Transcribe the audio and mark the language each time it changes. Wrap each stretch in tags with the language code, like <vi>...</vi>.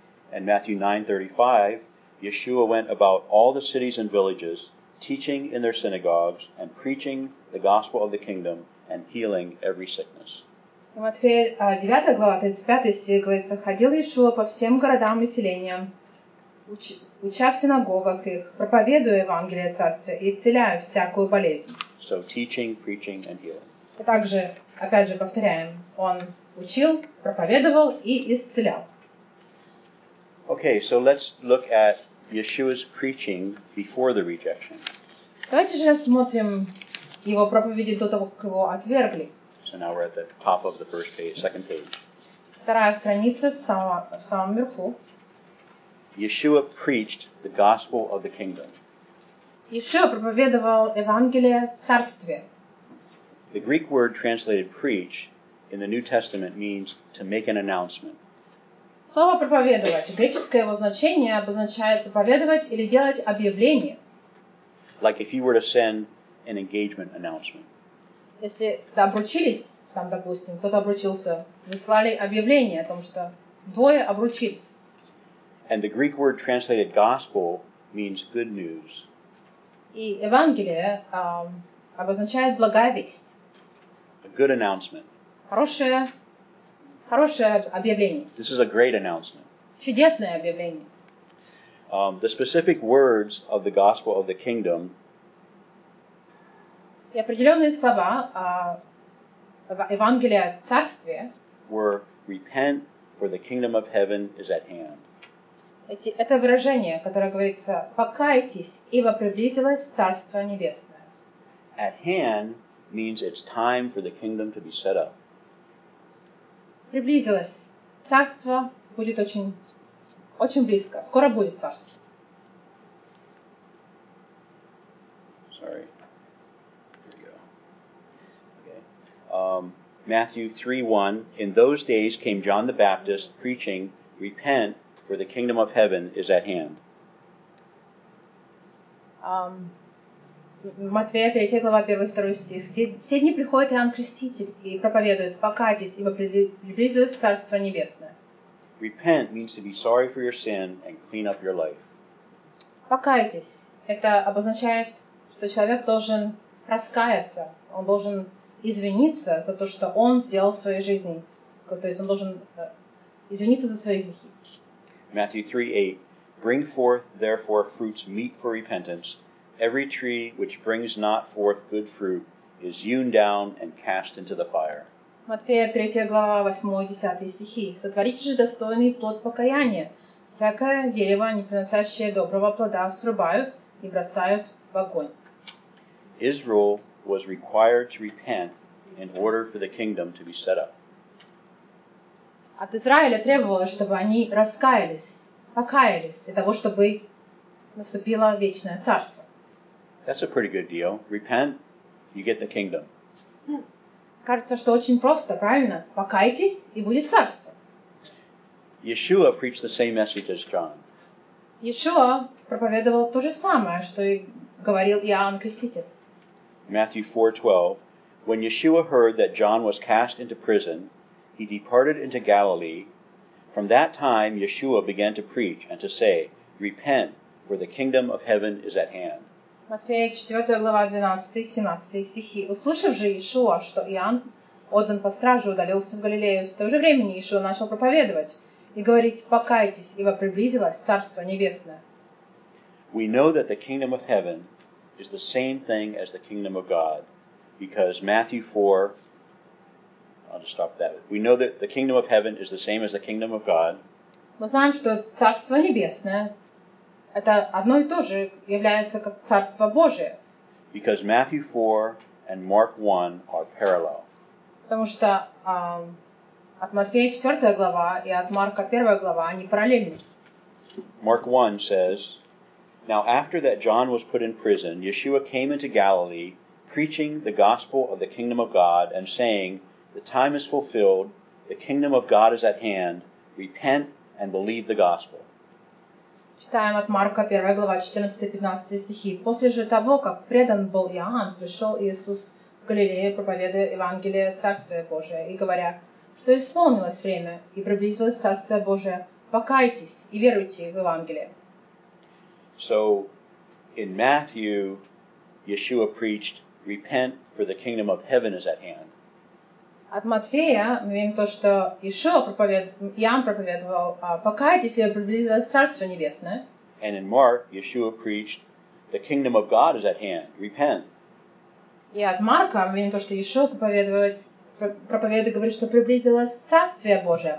<en>And Matthew 9:35, Yeshua went about all the cities and villages, teaching in their synagogues and preaching the gospel of the kingdom and healing every sickness.</en> <ru>И Матфея 9 глава 35 стих говорится, ходил Иешуа по всем городам и селениям, уча в синагогах их, проповедуя Евангелие Царствия и исцеляя всякую болезнь.</ru> <en>So teaching, preaching and healing.</en> <ru>И также, опять же повторяем, он учил, проповедовал и исцелял.</ru> <en>Okay, so let's look at Yeshua's preaching before the rejection.</en> <ru>Давайте же рассмотрим его проповеди до того, как его отвергли.</ru> <en>So now we're at the top of the first page, second page.</en> <ru>Вторая страница, самом верху.</ru> <en>Yeshua preached the gospel of the kingdom.</en> <ru>Yeshua проповедовал Евангелие Царствия.</ru> <en>The Greek word translated preach in the New Testament means to make an announcement.</en> <ru>Слово проповедовать, греческое его значение обозначает проповедовать или делать объявление.</ru> <en>Like if you were to send an engagement announcement.</en> <ru>Если вы обручились, там, допустим, кто-то обручился, выслали объявление о том, что двое обручились.</ru> <en>And the Greek word translated gospel means good news.</en> <ru>И Евангелие обозначает благая весть.</ru> <en>A good announcement.</en> <ru>Хорошее объявление.</ru> <en>This is a great announcement.</en> <ru>Чудесное объявление.</ru> <en>The specific words of the gospel of the kingdom.</en> <ru>И определенные слова Евангелия Царствия.</ru> <en>Were repent, for the kingdom of heaven is at hand.</en> <ru>Это выражение, которое говорится: покайтесь, ибо приблизилось Царство Небесное.</ru> <en>At hand means it's time for the kingdom to be set up.</en> <ru>Приблизилось. Царство будет очень, очень близко. Скоро будет царство.</ru> <en>Sorry. Here we go. Okay. Matthew 3:1. In those days came John the Baptist preaching, repent, for the kingdom of heaven is at hand.</en> <ru>Матфея 3, глава 1, 2 стих. В те дни приходит Иоанн Креститель и проповедует: покайтесь, ибо приблизилось Царство Небесное.</ru> <en>Repent means to be sorry for your sin and clean up your life.</en> <ru>Покайтесь. Это обозначает, что человек должен раскаяться. Он должен извиниться за то, что он сделал в своей жизни. То есть он должен извиниться за свои грехи.</ru> <en>Matthew 3:8. Bring forth, therefore, fruits meet for repentance. Every tree which brings not forth good fruit is hewn down and cast into the fire.</en> <ru>Матфея 3 глава 8-10 стихи. Сотворите же достойный плод покаяния. Всякое дерево, не приносящее доброго плода, срубают и бросают в огонь.</ru> <en>Israel was required to repent in order for the kingdom to be set up.</en> <ru>От Израиля требовалось, чтобы они раскаялись, покаялись для того, чтобы наступило вечное царство.</ru> <en>That's a pretty good deal. Repent, you get the kingdom.</en> <ru>Кажется, что очень просто, правильно? Покайтесь, и будет царство.</ru> <en>Yeshua preached the same message as John.</en> <ru>Yeshua проповедовал то же самое, что и говорил Иоанн Креститель.</ru> <en>Matthew 4:12. When Yeshua heard that John was cast into prison, he departed into Galilee. From that time, Yeshua began to preach and to say, repent, for the kingdom of heaven is at hand.</en> <ru>Матфея 4, глава 12-17 стихи. Услышав же Иешуа, что Иоанн отдан по страже, удалился в Галилею, с того же времени Иешуа начал проповедовать и говорить: покайтесь, ибо приблизилось Царство Небесное.</ru> <en>We know that the kingdom of heaven is the same thing as the kingdom of God, because Matthew 4, I'll just stop that. We know that the kingdom of heaven is the same as the kingdom of God.</en> <ru>Мы знаем, что Царство Небесное это одно и то же является как Царство Божие.</ru> <en>Because Matthew 4 and Mark 1 are parallel.</en> <ru>Потому что от Матфея 4 глава и от Марка 1 глава они параллельны.</ru> <en>Mark 1 says, Now after that John was put in prison, Yeshua came into Galilee, preaching the gospel of the kingdom of God and saying, The time is fulfilled, the kingdom of God is at hand, repent and believe the gospel.</en> <ru>Читаем от Марка 1, глава 14-15 стихи. «После же того, как предан был Иоанн, пришел Иисус в Галилею, проповедуя Евангелие Царствия Божия, и говоря, что исполнилось время, и приблизилось Царствие Божие, покайтесь и веруйте в Евангелие».</ru> <en>So, in Matthew, Yeshua preached, «Repent, for the kingdom of heaven is at hand».</en> <ru>От Матфея мы видим то, что Иоанн проповедовал, покайтесь, ибо приблизилось Царство Небесное.</ru> <en>And in Mark, Yeshua preached, "The kingdom of God is at hand. Repent."</en> <ru>И от Марка мы видим то, что Иешуа проповедует, говорит, что приблизилось Царствие Божие.</ru>